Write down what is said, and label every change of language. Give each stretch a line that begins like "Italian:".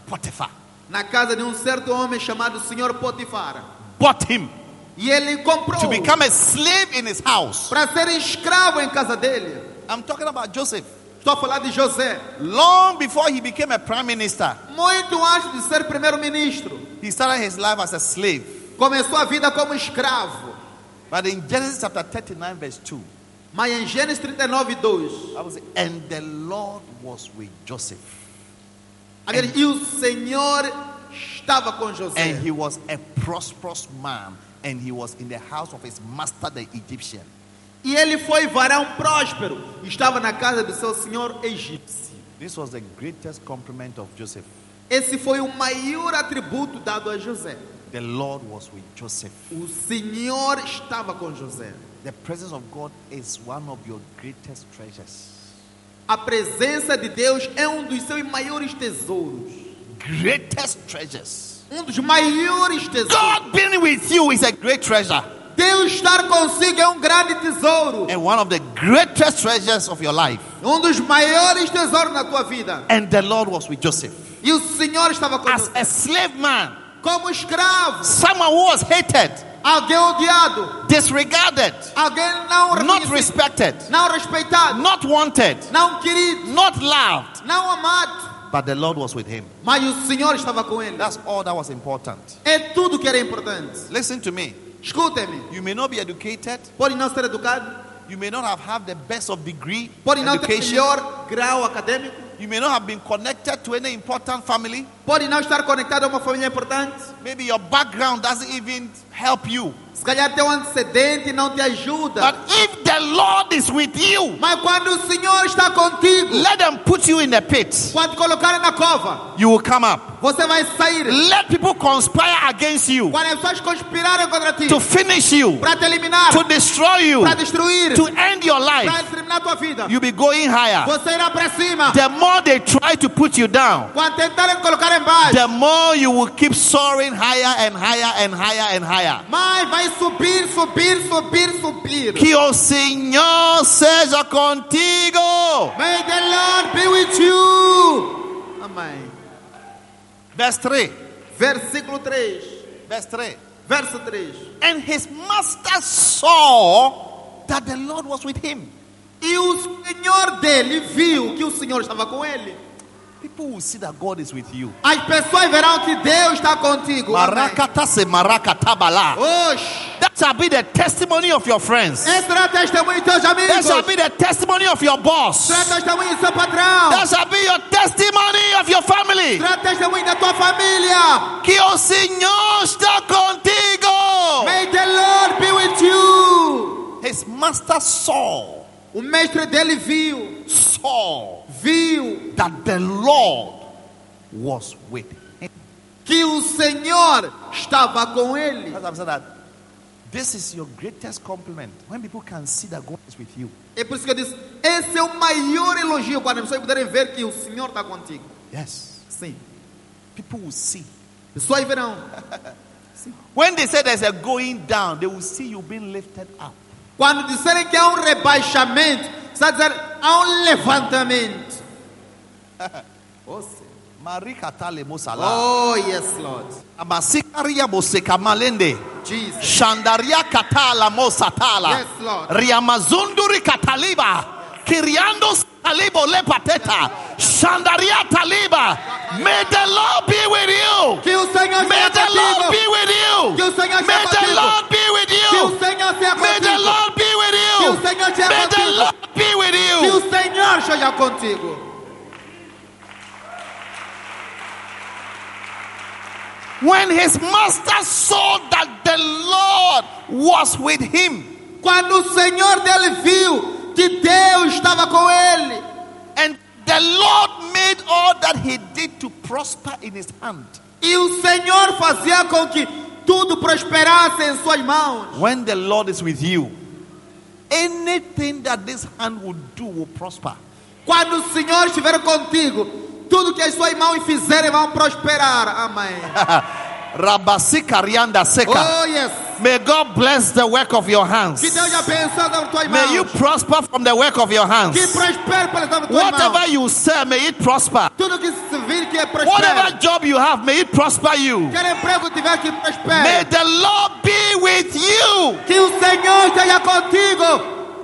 English: Potiphar.
Portuguese: Na casa de certo homem chamado Senhor Potifar.
English: Bought him.
Portuguese: E ele comprou.
English: To become a slave in his house.
Portuguese: Para ser escravo em casa dele.
English: I'm talking about Joseph.
Portuguese: Estou a falar de José.
English: Long before he became a prime minister.
Portuguese: Muito antes de ser primeiro-ministro.
English: He started his life as a slave.
Portuguese: Começou a vida como escravo.
English: But in Genesis chapter 39 verse 2.
Portuguese: Mas em Gênesis 39, 2.
English: And the Lord was with Joseph.
Portuguese: E o Senhor estava com José.
English: And he was a prosperous man, and he was in the house of his master, the Egyptian.
Portuguese: E ele foi varão próspero, estava na casa do seu senhor egípcio.
English: This was the greatest compliment of Joseph.
Portuguese: Esse foi o maior atributo dado a José.
English: The Lord was with Joseph.
Portuguese: O Senhor estava com José.
English: The presence of God is one of your greatest treasures.
Portuguese: A presença de Deus é um dos seus maiores tesouros.
English: Greatest treasures.
Portuguese: Um dos maiores tesouros.
English: God being with you is a great treasure.
Portuguese: Deus estar consigo é um grande tesouro.
English: And one of the greatest treasures of your life.
Portuguese: Um dos maiores tesouros na tua vida.
English: And the Lord was with Joseph.
Portuguese: E o Senhor estava com
English: as a slave man.
Portuguese: Como escravo.
English: Someone who was hated.
Portuguese: Alguém odiado.
English: Disregarded.
Portuguese: Alguém não reconhecido.
English: Not respected.
Portuguese: Não respeitado.
English: Not wanted.
Portuguese: Não querido.
English: Not loved.
Portuguese: Não amado.
English: But the Lord was with him.
Portuguese: Mas o Senhor estava com ele.
English: That's all that was important.
Portuguese: É tudo que era importante.
English: Listen to me.
Portuguese: Escute-me.
English: You may not be educated.
Portuguese: Pode não ser educado.
English: You may not have had the best of degree.
Portuguese: Pode não ter melhor grau acadêmico.
English: You may not have been connected to any important family.
Portuguese: Pode não estar conectado a uma família importante.
English: Maybe your background doesn't even help you.
Portuguese: Se calhar teu antecedente não te ajuda.
English: But if the Lord is with you,
Portuguese: mas quando o Senhor está contigo,
English: let them put you in the pit.
Portuguese: Quando colocarem na cova,
English: you will come up.
Portuguese: Você vai sair.
English: Let people conspire against you.
Portuguese: Quando pessoas conspirarem contra ti,
English: to finish you.
Portuguese: Para te eliminar.
English: To destroy you.
Portuguese: Para destruir.
English: To end your life.
Portuguese: Para exterminar tua vida.
English: You'll be going higher.
Portuguese: Você irá para cima.
English: The more they try to put you down,
Portuguese: quando tentarem colocar em baixo,
English: the more you will keep soaring higher and higher and higher and higher.
Portuguese: Mas vai subir, subir, subir, subir. Que o Senhor seja contigo.
English: May the Lord be with you. Amém. Verse 3.
Portuguese: Versículo 3.
English: Verse 3.
Portuguese: Verso 3.
English: And his master saw that the Lord was with him.
Portuguese: E o Senhor dele viu que o Senhor estava com ele.
English: People will see that God is with you.
Portuguese: As pessoas verão que Deus está contigo. Maracata se maracata bala. Oh,
English: that shall be the testimony of your friends.
Portuguese: Esse será testemunho dos amigos.
English: That shall be the testimony of your boss.
Portuguese: Será testemunho do seu patrão.
English: That shall be your testimony of your family.
Portuguese: Será testemunho da tua família. Que o Senhor está contigo.
English: May the Lord be with you. His master saw.
Portuguese: O mestre dele viu.
English: Saw.
Portuguese: Viu
English: that the Lord was with him.
Portuguese: Que o Senhor estava com ele.
English: As I said that, this is your greatest compliment. When people can see that God is with you.
Portuguese: É por isso que eu disse, esse é o maior elogio quando as pessoas puderem ver que o Senhor está contigo.
English: Yes.
Portuguese: Sim.
English: People will see.
Portuguese: Pessoas verão. Sim.
English: When they say there's a going down, they will see you being lifted up.
Portuguese: Quando disserem que há rebaixamento, está dizer, há levantamento. Marica tale mosala.
English: Oh, yes, Lord. Amasikaria moseka malende. Jesus. Shandaria katala mosatala. Yes, Lord. Riamazunduri kataliba. Kiriando talibo le pateta. Shandaria taliba. May the Lord be with you.
Portuguese: Que o Senhor
English: may the Lord be with you.
Portuguese: Que o Senhor
English: may the Lord be with you.
Portuguese: Que o Senhor seja contigo.
English: May the Lord be with you.
Portuguese: Que o Senhor seja contigo.
English: May the Lord be with you.
Portuguese: Que o Senhor seja contigo.
English: When his master saw that the Lord was with him.
Portuguese: Quando o Senhor dele viu que Deus estava com ele.
English: And the Lord made all that he did to prosper in his hand.
Portuguese: E o Senhor fazia com que tudo prosperasse em suas mãos.
English: When the Lord is with you, anything that this hand will do will prosper.
Portuguese: Quando o Senhor estiver contigo, tudo que as suas mãos fizerem vão prosperar. Amém. Rabasika rianda seka.
English: Oh, yes. May God bless the work of your hands.
Portuguese: Que Deus abençoe as tuas mãos.
English: May you prosper from the work of your hands.
Portuguese: Que prospere pelas tuas mãos.
English: Whatever you sell, may it prosper.
Portuguese: Tudo que se vir, que prospere.
English: Whatever job you have, may it prosper you.
Portuguese: Que emprego tiver, que prospere.
English: May the Lord be with you.
Portuguese: Que o Senhor esteja contigo.